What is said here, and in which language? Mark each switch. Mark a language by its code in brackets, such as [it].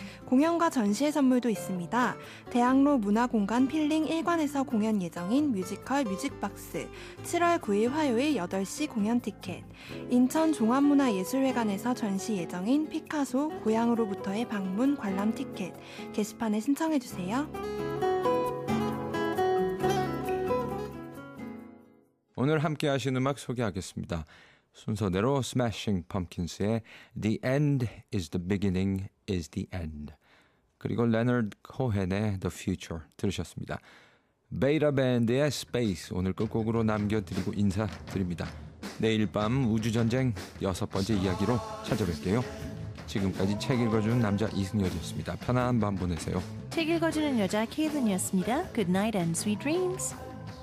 [ko] 공연과 전시의 선물도 있습니다. 대학로 문화공간 필링 1관에서 공연 예정인 뮤지컬 뮤직박스, 7월 9일 화요일 8시 공연 티켓, 인천 종합문화예술회관에서 전시 예정인 피카소 고향으로부터의 방문 관람 티켓, 게시판에 신청해주세요. 오늘 함께 하신 음악 소개하겠습니다. 순서대로 Smashing Pumpkins의 The End is the Beginning is the End, 그리고 Leonard Cohen의 The Future 들으셨습니다. 베이라 밴드의 Space 오늘 끝곡으로 남겨드리고 인사드립니다. 내일 밤 우주전쟁 여섯 번째 이야기로 찾아뵐게요. 지금까지 책 읽어주는 남자 이승열이었습니다. 편안한 밤 보내세요. 책 읽어주는 여자 케이든이었습니다. [en] Good night and sweet dreams.